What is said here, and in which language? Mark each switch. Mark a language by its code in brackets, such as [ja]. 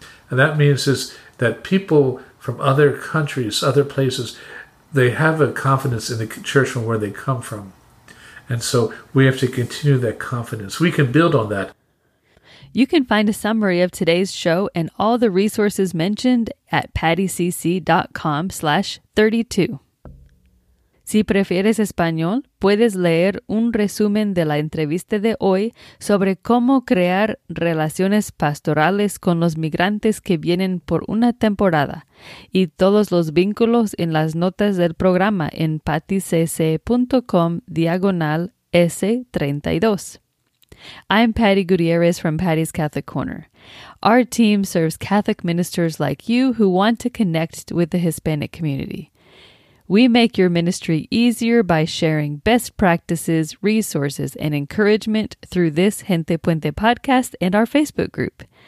[en] And that means is that people from other countries, other places, they have a confidence in the church from where they come from. And so we have to continue that confidence. We can build on that. You can find a summary of today's show and all the resources mentioned at pattycc.com/32. [es] Si prefieres español, puedes leer un resumen de la entrevista de hoy sobre cómo crear relaciones pastorales con los migrantes que vienen por una temporada y todos los vínculos en las notas del programa en pattycc.com/S32. [en] I'm Patty Gutierrez from Patty's Catholic Corner. Our team serves Catholic ministers like you who want to connect with the Hispanic community. We make your ministry easier by sharing best practices, resources, and encouragement through this Gente Puente podcast and our Facebook group.